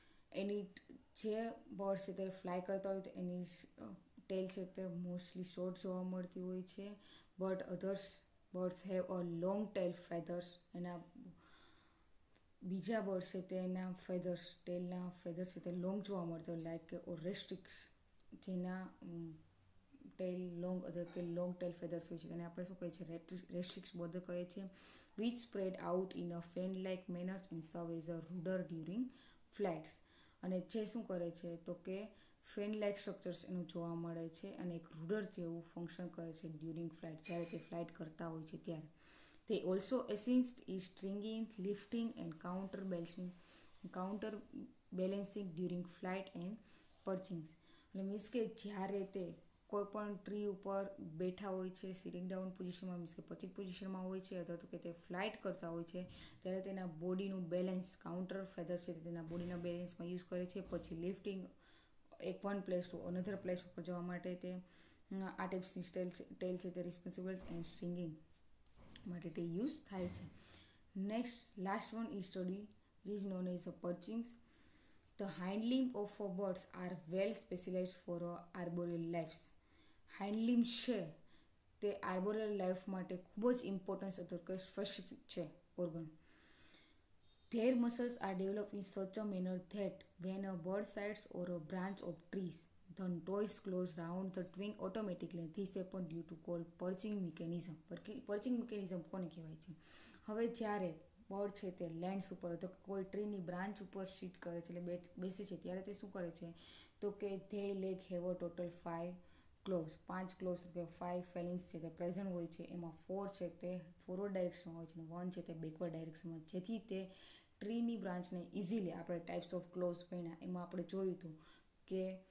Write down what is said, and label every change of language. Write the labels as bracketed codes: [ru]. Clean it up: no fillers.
[gu] એની જે બર્ડ્સ છે તે ફ્લાય કરતા હોય તો એની ટેલ છે તે મોસ્ટલી શોર્ટ જોવા મળતી હોય છે, [en] But others birds have a long tail feathers. [gu] એના બીજા બર્ડ્સ છે તેના ફેધર્સ, ટેલના ફેધર્સ છે તે લોંગ જોવા મળતા હોય, લાઈક કે ઓરેસ્ટ્રિક્સ જેના ટેલ લોંગ, અધર કે લોંગ ટેલ ફેધર્સ હોય છે તેને આપણે શું કહીએ છીએ, રેસ્ટ્રિક્સ બધું કહીએ છીએ. [en] which spread out in a fan-like manner and serve as a rudder during flights. [gu] અને છે શું કરે છે તો કે ફેન લાઇક સ્ટ્રક્ચર્સ એનું જોવા મળે છે અને એક રૂડર જેવું ફંક્શન કરે છે ડ્યુરિંગ ફ્લાઇટ, જ્યારે તે ફ્લાઇટ કરતા હોય છે ત્યારે. [en] તે also assist in stringing, lifting and counter balancing during flight and perchings. [gu] એટલે મીન્સ કે જ્યારે તે કોઈ પણ ટ્રી ઉપર બેઠા હોય છે સિટિંગ ડાઉન પોઝિશનમાં, મીન્સ કે પર્ચિંગ પોઝિશનમાં હોય છે, અથવા તો કે તે ફ્લાઇટ કરતા હોય છે, ત્યારે તેના બોડીનું બેલેન્સ, કાઉન્ટર ફેધર છે તેના બોડીના બેલેન્સમાં યુઝ કરે છે. પછી લિફ્ટિંગ એક one place to another place ઉપર જવા માટે તે આ ટાઈપ્સની સ્ટેલ ટેલ છે તે રિસ્પોન્સિબલ છે, એન્ડ સિંગિંગ માટે તે યુઝ થાય છે. [en] Next last one is study is known as a perchings. The hind limb of a birds are well specialized for arboreal lives. [gu] Hind limb છે તે arboreal life માટે ખૂબ જ ઇમ્પોર્ટન્સ અથવા કે સ્પેસિફિક છે organ. [en] Their muscles are developed in such a manner that when a bird sights or a branch of trees, the toes close round the twig automatically. This happens due to called perching mechanism. [gu] Perching mechanism કોને કહેવાય છે? હવે જ્યારે bird છે તે lands ઉપર તો કોઈ ટ્રીની બ્રાન્ચ ઉપર શીટ કરે છે એટલે બેસે છે, ત્યારે તે શું કરે છે તો કે [en] they leg have a total 5 claws [gu] કે 5 ફેલિન્સ છે તે પ્રેઝન્ટ હોય છે, એમાં 4 છે તે ફોરવર્ડ ડાયરેક્શનમાં હોય છે અને 1 છે તે બેકવર્ડ ડાયરેક્શનમાં, જેથી તે ટ્રીની બ્રાન્ચને ઇઝીલી, આપણે ટાઈપ્સ ઓફ ક્લોઝ પહેણ્યા એમાં આપણે જોયું હતું કે